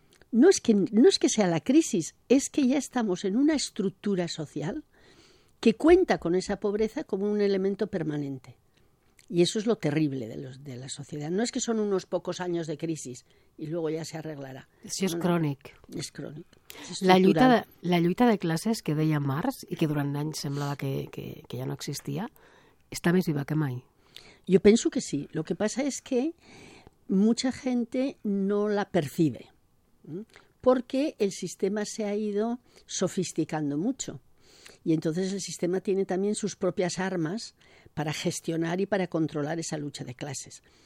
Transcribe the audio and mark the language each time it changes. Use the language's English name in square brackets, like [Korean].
[Spanish] No es que sea la crisis, es que ya estamos en una estructura social que cuenta con esa pobreza como un elemento permanente. Y eso es lo terrible de la sociedad. No es que son unos pocos años de crisis y luego ya se arreglará. [Catalan] Sí, es crònic. Es crònic. La lluita de classes que deia Marx i que durant anys semblava que ja no existia, està més viva que mai. [Spanish] Yo pienso que sí. Lo que pasa es que mucha gente no la percibe porque el sistema se ha ido sofisticando mucho y entonces el sistema tiene también sus propias armas para gestionar y para controlar esa lucha de clases.